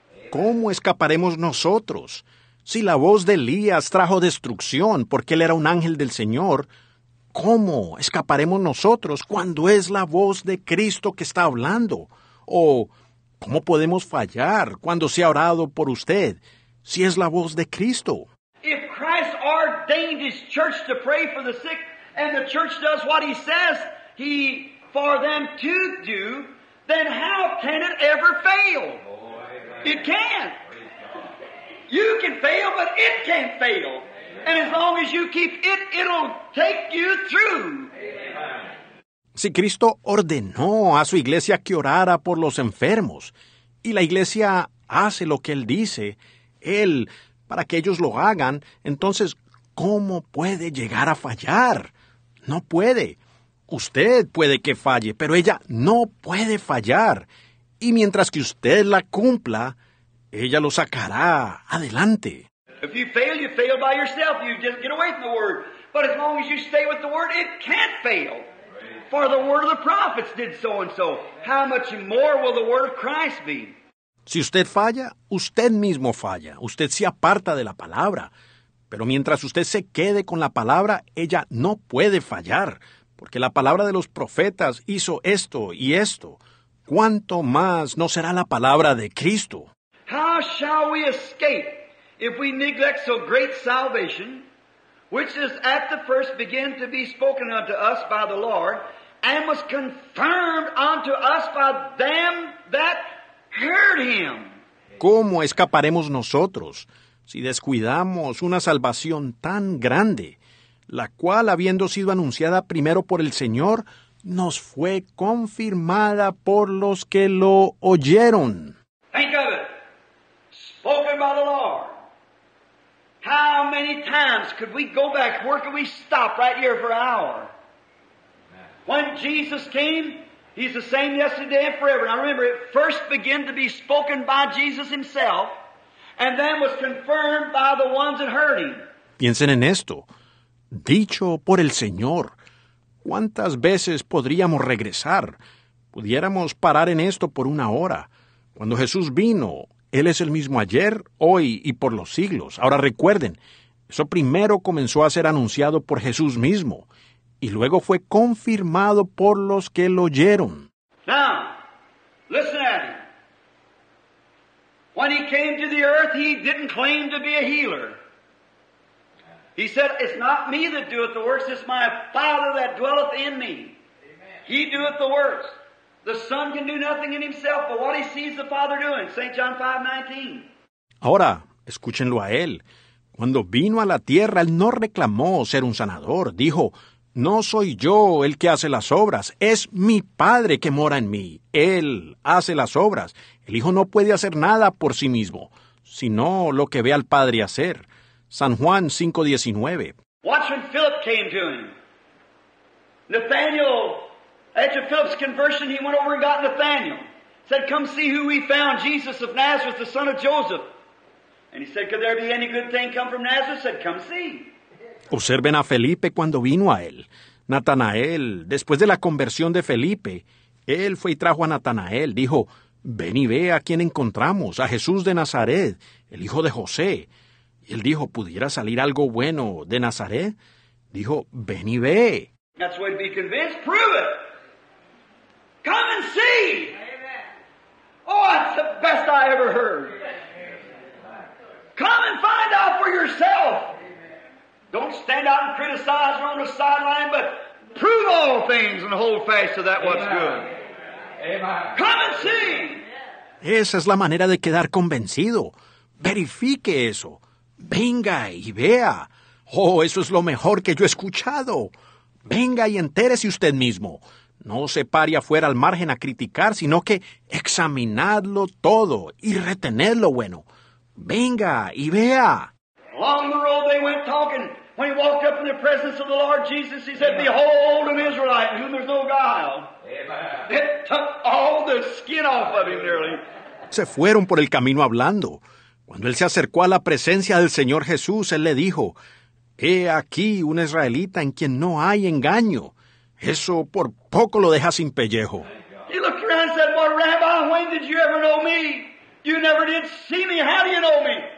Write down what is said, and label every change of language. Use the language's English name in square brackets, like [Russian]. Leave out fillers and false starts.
[Spanish] ¿Cómo escaparemos nosotros? Si la voz de Elías trajo destrucción porque él era un ángel del Señor, ¿cómo escaparemos nosotros cuando es la voz de Cristo que está hablando? O, ¿cómo podemos fallar cuando se ha orado por usted si es la voz de Cristo? [English] If Christ ordained his church to pray for the sick, and the church does what he says he for them to do, then how can it ever fail? Oh, it can. You can fail, but it can't fail. Amen. And as long as you keep it, it'll take you through. Amen. [Spanish] Si Cristo ordenó a su iglesia que orara por los enfermos, y la iglesia hace lo que él dice, él, para que ellos lo hagan, entonces, ¿cómo puede llegar a fallar? No puede. Usted puede que falle, pero ella no puede fallar. Y mientras que usted la cumpla, ella lo sacará adelante. [English] If you fail, you fail by yourself. You just get away from the word. But as long as you stay with the word, it can't fail. For the word of the prophets did so and so. How much more will the word of Christ be? [Spanish] Si usted falla, usted mismo falla. Usted se aparta de la palabra. Pero mientras usted se quede con la palabra, ella no puede fallar, porque la palabra de los profetas hizo esto y esto. ¿Cuánto más no será la palabra de Cristo? [English] How shall we escape if we neglect so great salvation, which is at the first begin to be spoken unto us by the Lord, and was confirmed unto us by them that heard him? [Spanish] ¿Cómo escaparemos nosotros si descuidamos una salvación tan grande, la cual, habiendo sido anunciada primero por el Señor, nos fue confirmada por los que lo oyeron? [English] Think of it. Spoken by the Lord. How many times could we go back? Where could we stop right here for an hour? When Jesus came, he's the same yesterday and forever. Now remember, it first began to be spoken by Jesus himself, and then was confirmed by the ones that heard him. [Spanish] Piensen en esto. Dicho por el Señor, ¿cuántas veces podríamos regresar? Pudiéramos parar en esto por una hora. Cuando Jesús vino, Él es el mismo ayer, hoy y por los siglos. Ahora recuerden, eso primero comenzó a ser anunciado por Jesús mismo y luego fue confirmado por los que lo oyeron. [English] Now, listen at him. When he came to the earth, he didn't claim to be a healer. He said, it's not me that doeth the works, it's my Father that dwelleth in me. He doeth the works. The Son can do nothing in himself but what he sees the Father doing. St. John 5:19. [Spanish] Ahora, escúchenlo a él. Cuando vino a la tierra, él no reclamó ser un sanador. Dijo, no soy yo el que hace las obras, es mi Padre que mora en mí. Él hace las obras. El Hijo no puede hacer nada por sí mismo, sino lo que ve al Padre hacer. San Juan 5:19. [English] Watch when Philip came to him. Nathanael, after Philip's conversion, he went over and got Nathanael. Said, come see who we found, Jesus of Nazareth, the son of Joseph. And he said, could there be any good thing come from Nazareth? Said, come see. [Spanish] Observen a Felipe cuando vino a él. Natanael, después de la conversión de Felipe, él fue y trajo a Natanael. Dijo, ven y ve a quién encontramos, a Jesús de Nazaret, el hijo de José. Y él dijo, ¿pudiera salir algo bueno de Nazaret? Dijo, ven y ve. [English] That's the way to be convinced. Prove it. Come and see. Oh, that's the best I ever heard. Come and find out for yourself. Don't stand out and criticize or on the sideline, but prove all things and hold fast to that what's good. Amen. Come and see. [Spanish] Esa es la manera de quedar convencido. Verifique eso. Venga y vea. Oh, eso es lo mejor que yo he escuchado. Venga y entérese usted mismo. No se pare afuera al margen a criticar, sino que examinadlo todo y retened lo bueno. Venga y vea. [English] Along the road they went talking. When he walked up in the presence of the Lord Jesus, he said, behold, an Israelite in whom there's no guile. Amen. It took all the skin off of him nearly. [Spanish] Se fueron por el camino hablando. Cuando él se acercó a la presencia del Señor Jesús, él le dijo, he aquí un israelita en quien no hay engaño. Eso por poco lo deja sin pellejo. [English] He looked around and said, well, Rabbi, when did you ever know me? You never did see me. How do you know me?